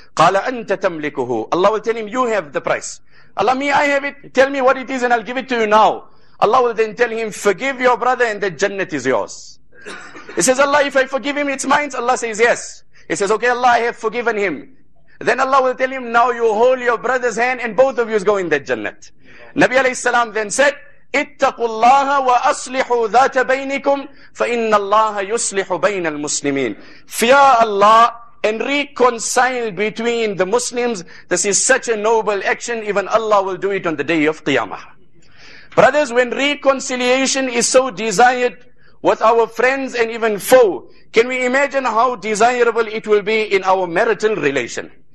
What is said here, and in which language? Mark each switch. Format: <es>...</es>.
<ar>Qala anta tamlikuhu,</ar> <en>Allah will tell him, you have the price. Allah, me, I have it, tell me what it is and I'll give it to you now. Allah will then tell him, forgive your brother and the Jannah is yours. He says, Allah, if I forgive him, it's mine. Allah says, yes. He says, okay, Allah, I have forgiven him. Then Allah will tell him, now you hold your brother's hand and both of you go in the Jannah. Nabi alayhi salam then said,</en> <ar>اتقوا الله وأصلحوا ذات بينكم فإن الله يصلح بين المسلمين.</ar> <en>Fear Allah and reconcile between the Muslims. This is such a noble action, even Allah will do it on the day of Qiyamah. Brothers, when reconciliation is so desired with our friends and even foe, can we imagine how desirable it will be in our marital relation?</en>